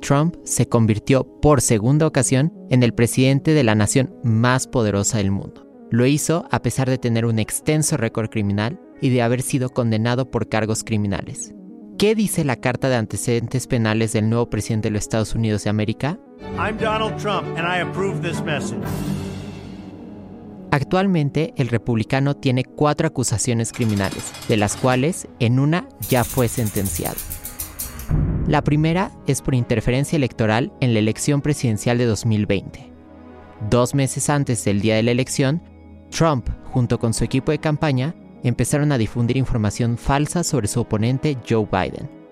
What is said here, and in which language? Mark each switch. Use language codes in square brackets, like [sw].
[es] Trump se convirtió por segunda ocasión en el presidente de la nación más poderosa del mundo. Lo hizo a pesar de tener un extenso récord criminal y de haber sido condenado por cargos criminales. ¿Qué dice la Carta de Antecedentes Penales del nuevo presidente de los Estados Unidos de América? [en] I'm Donald Trump and I approve this message. [es] Actualmente, el republicano tiene 4 acusaciones criminales, de las cuales en una ya fue sentenciado. La primera es por interferencia electoral en la elección presidencial de 2020. 2 meses antes del día de la elección, Trump, junto con su equipo de campaña, empezaron a difundir información falsa sobre su oponente Joe Biden.